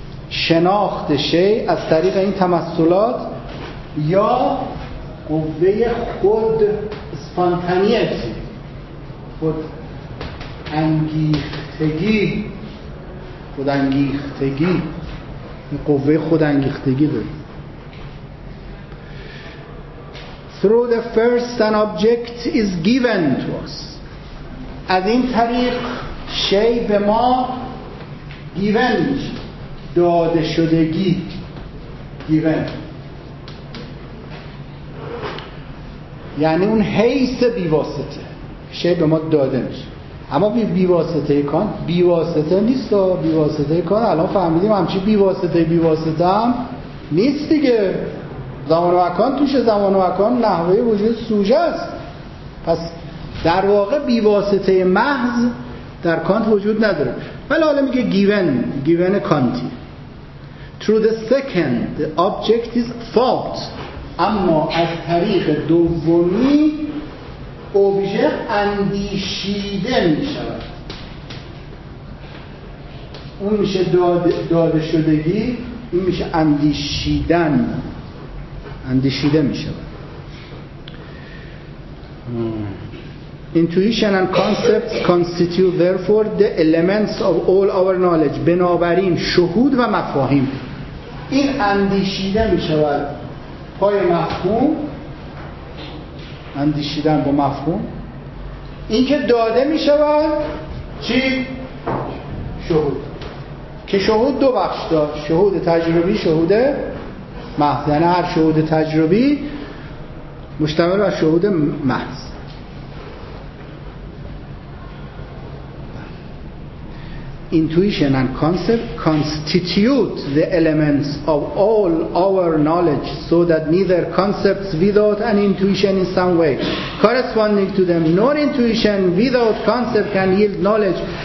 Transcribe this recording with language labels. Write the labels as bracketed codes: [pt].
[fa] شناخت شی از طریق این تمثلات یا قوه خود، spontaneity، خود انگیختگی، خود انگیختگی، قوه خود انگیختگی داریم. [en] Through the first an object is given to us. [fa] از این طریق شی به ما given میشه، داده شدگی، given. یعنی اون حیث بیواسطه شی به ما داده میشه. اما بیواسطه کانت بیواسطه نیست. و بیواسطه کانت الان فهمیدیم همچی بیواسطه بیواسطه هم نیست دیگه. زمان و مکان توش، زمان و مکان نحوه وجود سوژه است. پس در واقع بیواسطه محض در کانت وجود نداره. ولی حالا میگه گیون کانتی. [en] Through the second the object is thought. [fa] اما از طریق دومی اوبژه اندیشیده می شود. اون میشه داده شدگی، این میشه اندیشیدن، اندیشیده می شود. [en] Intuition and concepts constitute therefore the elements of all our knowledge. [fa] بنابراین شهود و مفاهیم، این اندیشیده می شود پای مفهوم. اندیشیدن با مفهوم، این که داده می شود چی؟ شهود. که شهود دو بخش داشت، شهود تجربی، شهود محض. یعنی هر شهود تجربی مشتمل بر شهود محض. [en] intuition and concept constitute the elements of all our knowledge, so that neither concepts without an intuition in some way corresponding to them nor intuition without concept can yield knowledge.